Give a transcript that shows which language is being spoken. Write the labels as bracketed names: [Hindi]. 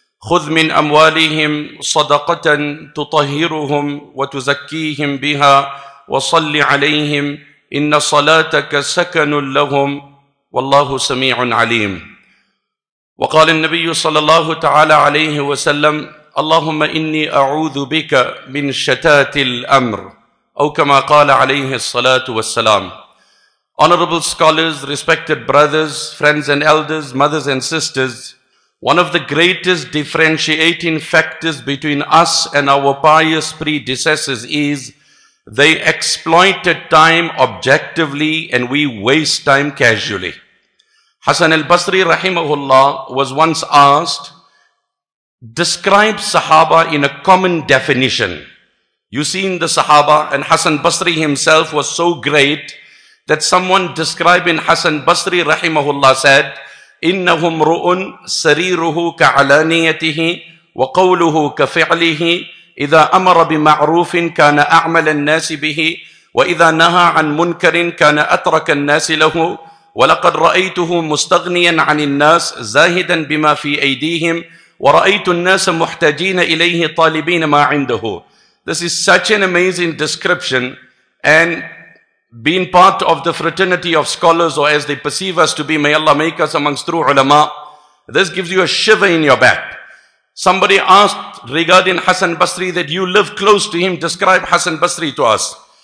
[Arabic] خذ من أموالهم صدقة تطهرهم وتزكيهم بها وصل عليهم إن صلاتك سكن لهم والله سميع عليم. وقال النبي صلى الله تعالى عليه وسلم: اللهم إني أعوذ بك من شتات الأمر، أو كما قال عليه الصلاة والسلام. [English] Honorable scholars, respected brothers, friends and elders, mothers and sisters, one of the greatest differentiating factors between us and our pious predecessors is they exploited time objectively and we waste time casually. Hasan al-Basri rahimahullah was once asked, describe Sahaba in a common definition. You've seen the Sahaba, and Hasan Basri himself was so great that someone describing Hasan Basri rahimahullah said, [Arabic] إِنَّهُمْ رُؤُنْ سَرِيرُهُ كَعَلَانِيَتِهِ وَقَوْلُهُ كَفِعْلِهِ إِذَا أَمَرَ بِمَعْرُوفٍ كَانَ أَعْمَلَ النَّاسِ بِهِ وَإِذَا نَهَى عَنْ مُنْكَرٍ كَانَ أَتْرَكَ النَّاسِ لَهُ وَلَقَدْ رَأَيْتُهُ مُسْتَغْنِيًا عَنِ النَّاسِ زَاهِدًا بِمَا فِي أَيْدِيهِمْ وَرَأَيْتُ النَّاسَ مُحْتَاجِينَ إِلَيْهِ طَالِبِينَ مَا عِنْدَهُ. [English] This is such an amazing description, and being part of the fraternity of scholars, or as they perceive us to be, may Allah make us amongst true ulama, this gives you a shiver in your back. Somebody asked regarding Hasan Basri that you live close to him, describe Hasan Basri to us.